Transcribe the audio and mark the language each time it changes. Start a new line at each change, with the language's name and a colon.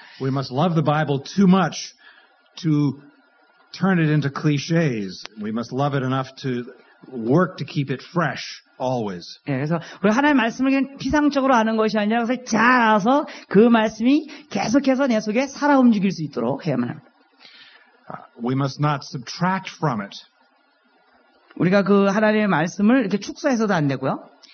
English: We must love the Bible too much to turn it into cliches. We must love it enough to work to keep it fresh always.
Korean: 예, 그래서 우리 하나님의 말씀을 그냥 피상적으로 아는 것이 아니라 그래서 잘 알아서 그 말씀이 계속해서 내 속에 살아 움직일 수 있도록 해야만 합니다.
English: We must not subtract from it.
Korean: 우리가 그 하나님의 말씀을 이렇게 축소해서도 안 되고요.